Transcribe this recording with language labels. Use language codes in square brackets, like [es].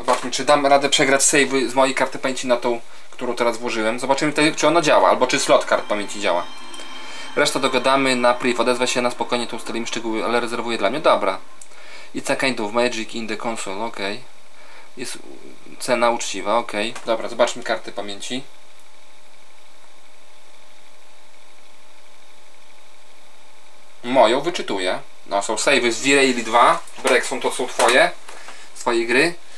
[pl] Czy dam radę przegrać save z mojej karty pamięci na tą, którą teraz włożyłem? Zobaczymy, czy ona działa, albo czy slot kart pamięci działa. Resztę dogadamy na priv. Odezwę się na spokojnie, tu ustalimy szczegóły, ale rezerwuję dla mnie. Dobra. [en] It's a kind of magic in the console. [pl] Ok. Jest cena uczciwa. Ok. Dobra, zobaczmy karty pamięci. Moją wyczytuję. No, są save z V-Rail 2. Break są, to są twoje. Twoje gry.